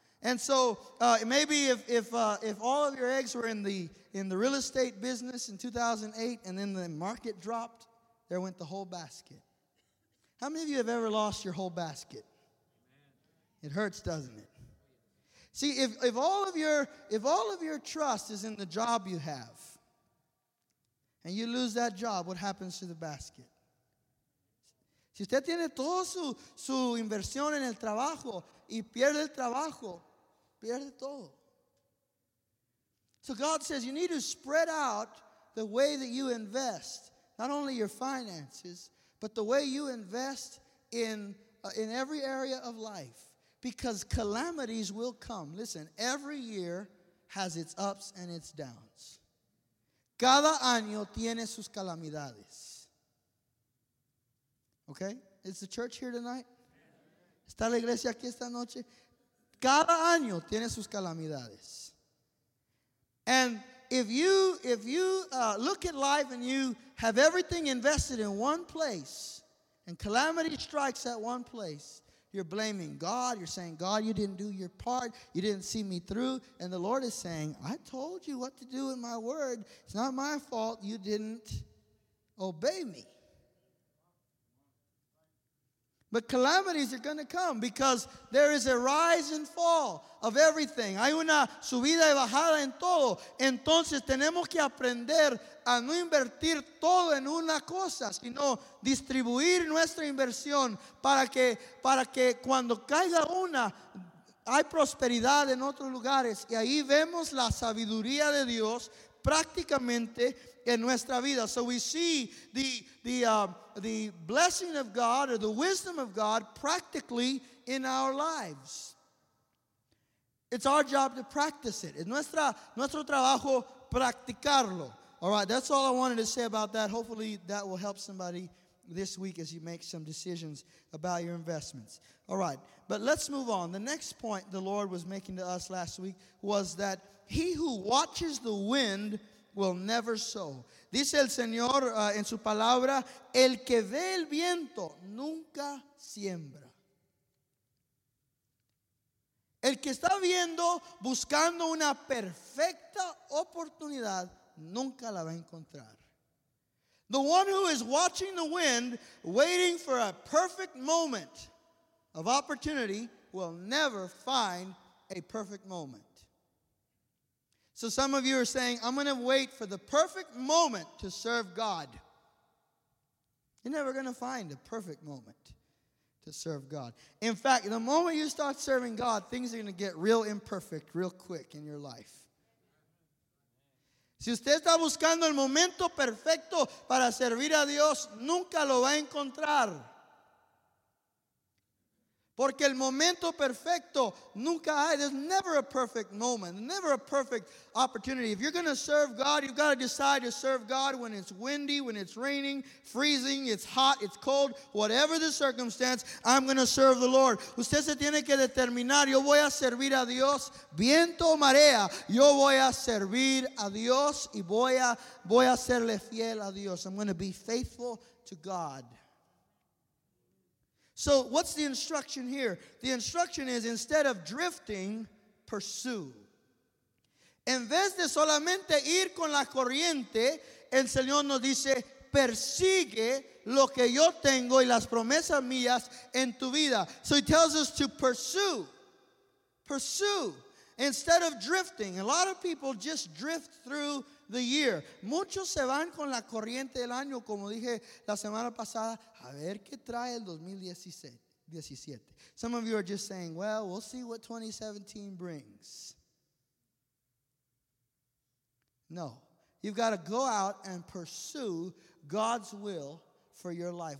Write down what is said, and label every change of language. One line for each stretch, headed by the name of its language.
English: And so maybe if all of your eggs were in the real estate business in 2008 and then the market dropped, there went the whole basket. How many of you have ever lost your whole basket? It hurts, doesn't it? See, if all of your trust is in the job you have, and you lose that job, what happens to the basket?
Spanish: Si usted tiene toda su inversión en el trabajo y pierde el trabajo, pierde todo.
English: So God says you need to spread out the way that you invest, not only your finances, but the way you invest in every area of life. Because calamities will come. Listen, every year has its ups and its downs.
Spanish: Cada año tiene sus calamidades.
English: Okay? Is the church here tonight?
Spanish: ¿Está la iglesia aquí esta noche? Cada año tiene sus calamidades.
English: And if you look at life and you have everything invested in one place, and calamity strikes at one place, you're blaming God. You're saying, God, you didn't do your part. You didn't see me through. And the Lord is saying, I told you what to do in my word. It's not my fault you didn't obey me. But calamities are going to come because there is a rise and fall of everything.
Spanish: Hay una subida y bajada en todo. Entonces tenemos que aprender a no invertir todo en una cosa, sino distribuir nuestra inversión para que cuando caiga una, hay prosperidad en otros lugares. Y ahí vemos la sabiduría de Dios prácticamente en nuestra vida.
English: So we see the blessing of God or the wisdom of God practically in our lives. It's our job to practice it.
Spanish: Es nuestro trabajo practicarlo.
English: All right, that's all I wanted to say about that. Hopefully that will help somebody this week as you make some decisions about your investments. All right, but let's move on. The next point the Lord was making to us last week was that he who watches the wind will never sow.
Spanish: Dice el Señor en su palabra, el que ve el viento nunca siembra. El que está viendo, buscando una perfecta oportunidad, nunca la va a encontrar.
English: The one who is watching the wind, waiting for a perfect moment of opportunity, will never find a perfect moment. So some of you are saying, I'm going to wait for the perfect moment to serve God. You're never going to find a perfect moment to serve God. In fact, the moment you start serving God, things are going to get real imperfect real quick in your life.
Spanish: Si usted está buscando el momento perfecto para servir a Dios, nunca lo va a encontrar. Porque el momento perfecto nunca hay.
English: There's never a perfect moment, never a perfect opportunity. If you're going to serve God, you've got to decide to serve God when it's windy, when it's raining, freezing, it's hot, it's cold, whatever the circumstance, I'm going to serve the Lord.
Spanish: Usted se tiene que determinar, yo voy a servir a Dios, viento o marea, yo voy a servir a Dios y voy a serle fiel a Dios.
English: I'm going to be faithful to God. So what's the instruction here? The instruction is, instead of drifting, pursue.
Spanish: En vez de solamente ir con la corriente, el Señor nos dice, persigue lo que yo tengo y las promesas mías en tu vida.
English: So he tells us to pursue. Pursue. Instead of drifting. A lot of people just drift through the year.
Spanish: Muchos se van con la corriente del año, como dije la semana pasada. A ver qué trae el 2017.
English: Some of you are just saying, well, we'll see what 2017 brings. No. You've got to go out and pursue God's will for your life.